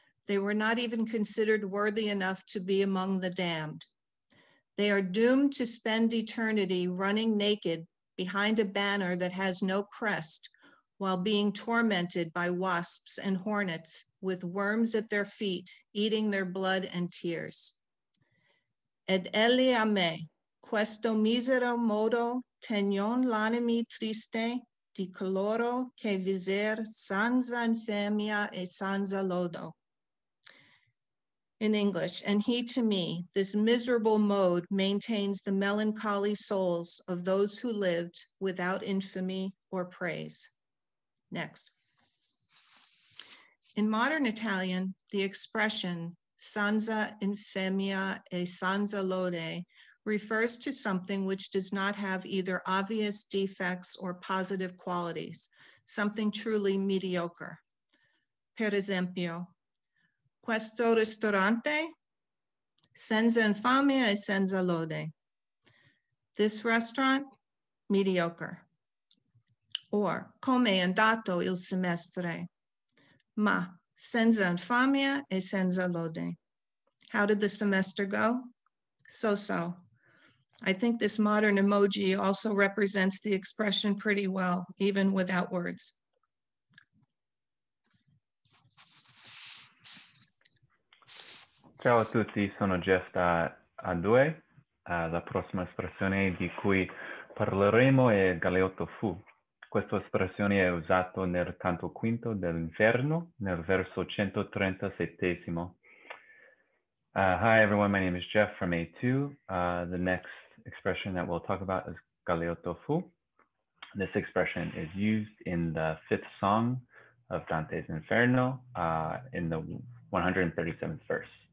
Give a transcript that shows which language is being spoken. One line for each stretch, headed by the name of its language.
English: They were not even considered worthy enough to be among the damned. They are doomed to spend eternity running naked behind a banner that has no crest, while being tormented by wasps and hornets with worms at their feet, eating their blood and tears.
Italian: Ed elli a me, questo misero modo tenion l'animi triste di coloro che viser senza infamia e senza lodo.
English: In English, and he to me, this miserable mode maintains the melancholy souls of those who lived without infamy or praise. Next. In modern Italian, the expression
Italian: senza infamia e senza lode
English: refers to something which does not have either obvious defects or positive qualities, something truly mediocre.
Italian: Per esempio, questo ristorante, senza infamia e senza lode.
English: This restaurant, mediocre. Or,
Italian: come è andato il semestre? Ma, senza infamia e senza lode.
English: How did the semester go? So-so. I think this modern emoji also represents the expression pretty well, even without words.
Italian: Ciao a tutti, sono Jeff da A2. La prossima espressione di cui parleremo è Galeotto fu. Questa espressione è usata nel canto quinto dell'Inferno, nel verso 137.
English: Hi everyone, my name is Jeff from A2. The next expression that we'll talk about is Galeotto fu. This expression is used in the fifth song of Dante's Inferno in the 137th verse.